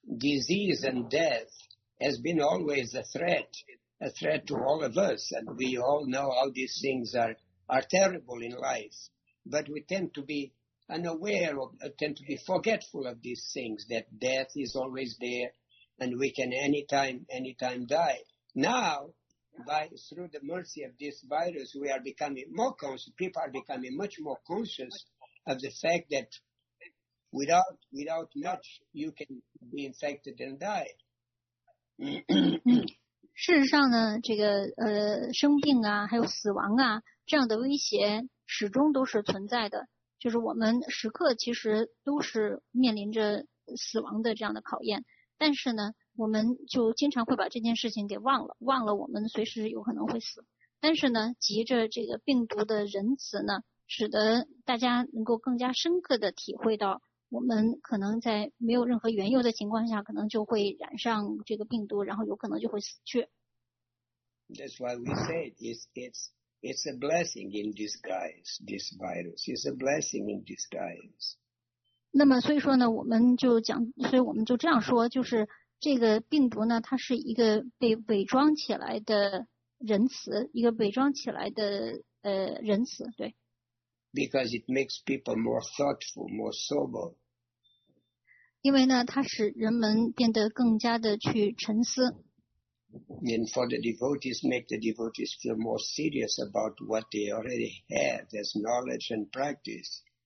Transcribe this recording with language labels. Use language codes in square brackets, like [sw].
[en] Disease and death has been always a threat to all of us, and we all know how these things are terrible in life, but we tend to be unaware of, tend to be forgetful of these things, that death is always there and we can anytime die. Now, through the mercy of this virus, we are becoming more conscious, people are becoming much more conscious of the fact that Without much, you can be infected and die. [zh] 事实上呢，这个生病啊，还有死亡啊，这样的威胁始终都是存在的。就是我们时刻其实都是面临着死亡的这样的考验。但是呢，我们就经常会把这件事情给忘了我们随时有可能会死。但是呢，急着这个病毒的仁慈呢，使得大家能够更加深刻的体会到。我们可能在没有任何缘由的情况下，可能就会染上这个病毒，然后有可能就会死去。 [en] That's why we say it's a blessing in disguise. This virus is a blessing in disguise. [zh] 那么所以说呢，我们就讲，所以我们就这样说，就是这个病毒呢，它是一个被伪装起来的仁慈，一个伪装起来的仁慈，对。 [en] Because it makes people more thoughtful, more sober. [zh] 因为呢，它使人们变得更加的去沉思。 [en] And for the devotees, make the devotees feel more serious about what they already have as knowledge and practice.